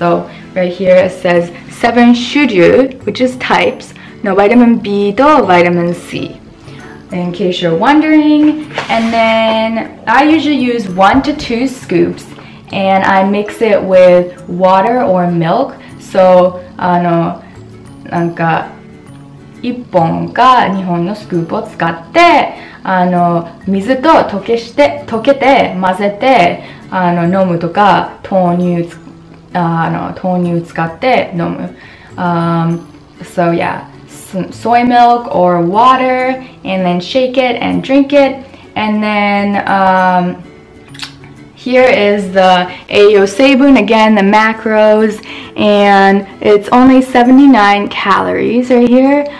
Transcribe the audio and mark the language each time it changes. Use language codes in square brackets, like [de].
[en] So right here it says 7 shuju, which is types, no vitamin B to vitamin C, in case you're wondering. And then I usually use 1 to 2 scoops, and I mix it with water or milk. [ja] So, なんか 1本か2本のスクープを使って水と溶けして溶けて混ぜて飲むとか豆乳使って飲む. [en] So yeah, soy milk or water, and then shake it and drink it. And then here is the Ayo Seibun again, the macros, and it's only 79 calories right here.